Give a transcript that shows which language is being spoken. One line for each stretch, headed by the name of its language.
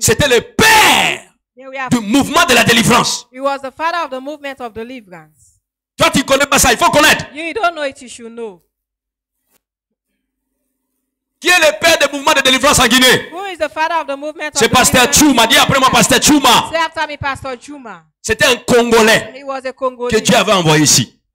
French: C'était le père du mouvement de la délivrance.
English: He was the father of the movement of deliverance.
French: Toi, tu ne connais pas ça, il faut connaître.
English: You don't know it, you should know.
French: Qui est le père du mouvement de délivrance en Guinée?
English: Who is the father of the movement
French: c'est
English: of
French: Pasteur Chuma. Dis après moi, Pasteur Chuma.
English: Say after me, Pastor Chuma.
French: C'était un Congolais,
English: he was a Congolais
French: que Dieu avait envoyé ici.